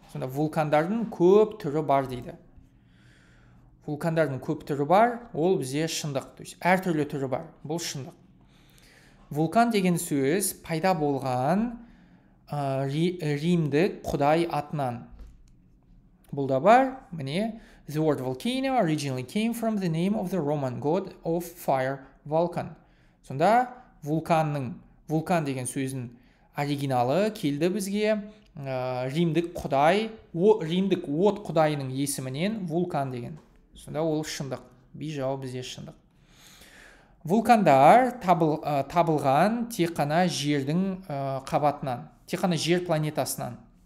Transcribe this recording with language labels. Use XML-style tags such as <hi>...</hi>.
<kk>Сонда вулкандардың көп түрі бар дейді. Вулкандардың көп түрі бар, ол бізде шындық. То есть, әр түрлі түрі бар, бұл шындық. Вулкан деген сөз пайда болған римдік құдай атынан. Бұл да бар, міне,</kk> <en>the word volcano originally came from the name of the Roman god of fire, Vulcan.</en> <kk>Сонда вулкан деген сөздің оригиналы келді бізге римдік от құдайының есімінен вулкан деген. Сонда ол шындық. Бей жауап бізде шындық. Вулкандар табылған тек қана жердің қабатынан, тек қана жер планетасынан.</kk>